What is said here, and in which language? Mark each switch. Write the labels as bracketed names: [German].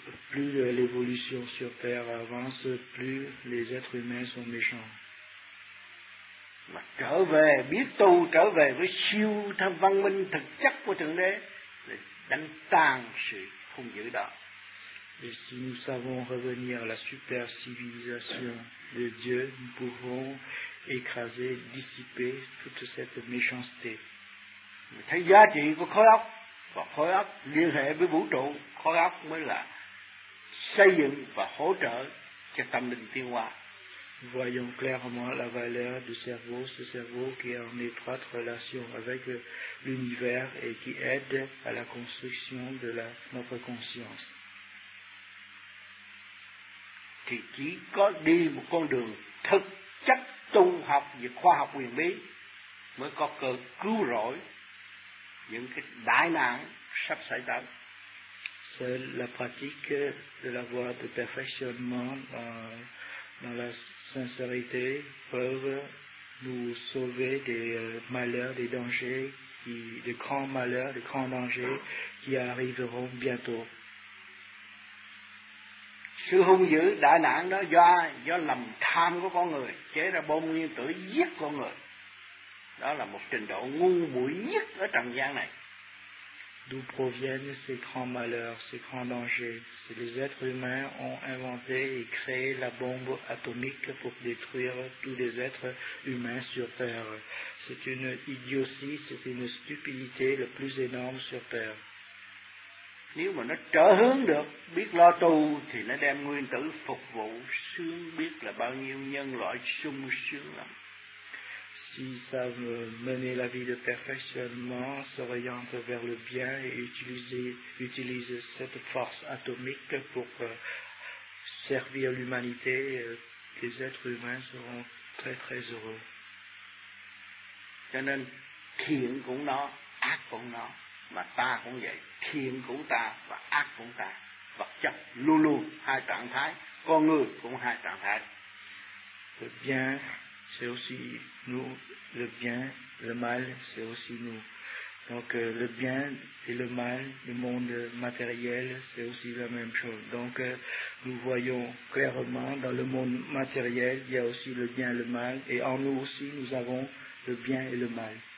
[French] Plus l'évolution sur Terre avance, plus les êtres humains sont méchants. [Vietnamese] Mà trở về, biết tu, trở về với siêu tham văn minh thực chất của Thượng Đế, để đánh tan sự hung dữ đó. [French] Et si nous savons revenir à la super civilisation de Dieu, nous pouvons écraser, dissiper toute cette méchanceté. [Vietnamese] Mình thấy giá trị của khối óc, và khối óc liên hệ với vũ trụ, khối óc mới là xây dựng và hỗ trợ cho tâm linh tiến hóa. [French] Voyons clairement la valeur du cerveau, ce cerveau qui est en étroite relation avec l'univers et qui aide à la construction de notre conscience. [Vietnamese] Thì chỉ có đi một con đường thực chất tu học về khoa học huyền bí mới có cơ cứu rỗi những cái đại nạn sắp xảy ra. [French] Seule la pratique de la voie de perfectionnement dans la sincérité peuvent nous sauver des malheurs, des dangers, des grands malheurs, des grands dangers qui arriveront bientôt. [Vietnamese] Sự hung dữ đại nạn đó do ai? Do lòng tham của con người chế ra bom nguyên tử giết con người. Đó là một trình độ ngu muội nhất ở trần gian này. [French] D'où proviennent ces grands malheurs, ces grands dangers? C'est les êtres humains ont inventé et créé la bombe atomique pour détruire tous les êtres humains sur Terre. C'est une idiotie, c'est une stupidité le plus énorme sur Terre. [Vietnamese] Nếu mà nó trở hướng được, biết lo tu thì nó đem nguyên tử phục vụ sướng biết là bao nhiêu nhân loại sung sướng lắm. [French] S'ils savent mener la vie de perfectionnement, s'orientent vers le bien et utilisent cette force atomique pour servir l'humanité, les êtres humains seront très très heureux. [Vietnamese] Cho nên thiện cũng nó, ác cũng nó, mà ta cũng vậy, thiện cũng ta và ác cũng ta, vật chất luôn luôn hai trạng thái, con người cũng hai trạng thái. [French] Le bien, c'est aussi nous, le bien, le mal, c'est aussi nous. Donc le bien et le mal, le monde matériel, c'est aussi la même chose. Donc nous voyons clairement dans le monde matériel, il y a aussi le bien et le mal, et en nous aussi, nous avons le bien et le mal.